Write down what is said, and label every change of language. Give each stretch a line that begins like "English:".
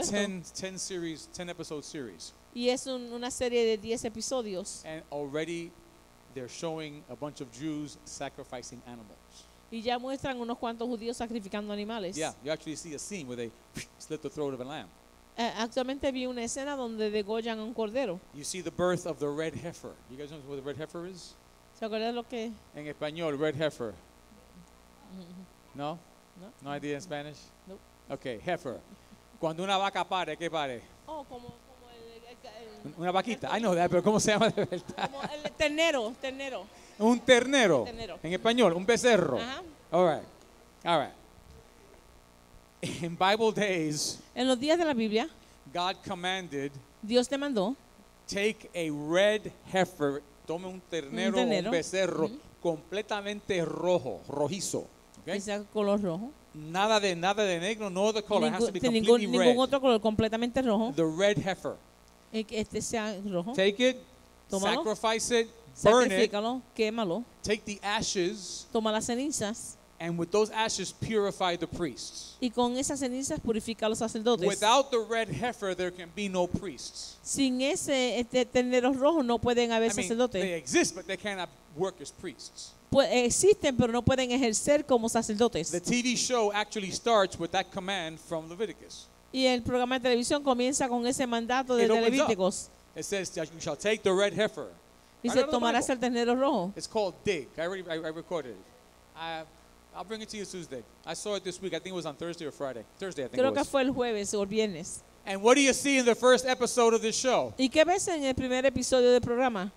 Spanish: esto.
English: It's a 10 series, 10 episode series.
Spanish: Y es una serie de 10 episodios.
English: And already, they're showing a bunch of Jews sacrificing animals.
Spanish: Y ya muestran unos cuantos judíos sacrificando animales.
English: Yeah, you actually see a scene where they slit the throat of a lamb.
Spanish: Actualmente vi una escena donde degollan un cordero.
English: You see the birth of the red heifer. You guys know what the red heifer is?
Spanish: ¿Te acuerdas lo que? En español, red heifer. No? No.
English: No idea en Spanish?
Spanish: No. Okay, heifer. Cuando una vaca pare, ¿qué pare? Oh, como el una vaquita.
English: I know that,
Spanish: pero ¿cómo se llama de verdad? Como el ternero. Un ternero. Ternero. En español, un becerro. Ajá.
English: All right. In Bible days.
Spanish: En los días de la Biblia.
English: God commanded.
Spanish: Dios te mandó.
English: Take a red heifer.
Spanish: Tome un ternero o un becerro completamente rojo, rojizo. Que sea color rojo. Nada de negro,
English: no other color. It has to be completely red.
Spanish: Ningún otro color, completamente rojo.
English: The red heifer.
Spanish: Este sea rojo.
English: Take it,
Spanish: tómalo,
English: sacrifice it, burn it.
Spanish: Sacrificalo, quémalo.
English: Take the ashes.
Spanish: Toma las cenizas.
English: And with those ashes, purify the priests.
Spanish: Y con esas cenizas purifica a los sacerdotes.
English: Without the red heifer, there can be no priests.
Spanish: Sin ese ternero rojo, no pueden haber sacerdotes.
English: They exist, but they cannot work as priests.
Spanish: Pues existen, pero no pueden ejercer como sacerdotes.
English: The TV show actually starts with that command from Leviticus.
Spanish: Y el programa de televisión comienza con ese mandato de Levíticos.
English: It says that you shall take the red heifer.
Spanish: Dice, tomarás el ternero rojo.
English: It's called Dig. I recorded it. I'll bring it to you Tuesday. I saw it this week. I think it was on Thursday or Friday. Thursday, I think
Spanish: creo
English: it was.
Spanish: Creo que fue el jueves o el viernes.
English: And what do you see in the first episode of this show?
Spanish: ¿Y qué ves en el primer episodio del programa?